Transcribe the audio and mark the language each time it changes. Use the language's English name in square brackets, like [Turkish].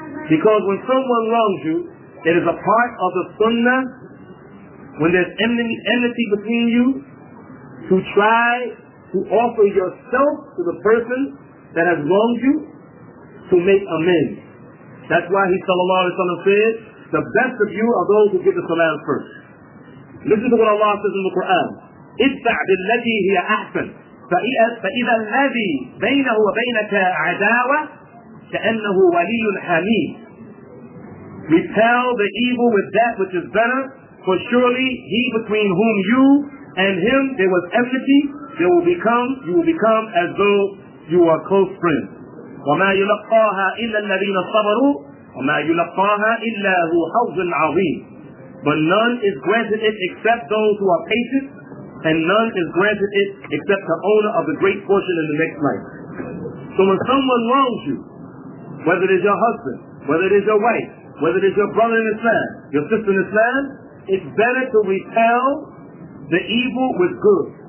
[English] Because when someone wrongs you, it is a part of the sunnah, when there's enmity between you, to try to offer yourself to the person that has wronged you to make amends. That's why he sallallahu alayhi wa sallam said, the best of you are those who give the salam first. Listen to what Allah says in the Quran. [Arabic] اتبع بالتي هي أحسن فإذا الذي بينه وبينك عداوة كأنه ولي حميم. [English] Repel the evil with that which is better, for surely he between whom you and him there was enmity, you will become as though you are close friends. [Arabic] وما يلقاها إلا الذين صبروا وما يلقاها إلا ذو حظ عظيم. [English] But none is granted it except those who are patient, and none is granted it except the owner of the great portion in the next life. So when someone wrongs you, whether it is your husband, whether it is your wife, whether it is your brother in Islam, your sister in Islam, it's better to repel the evil with good.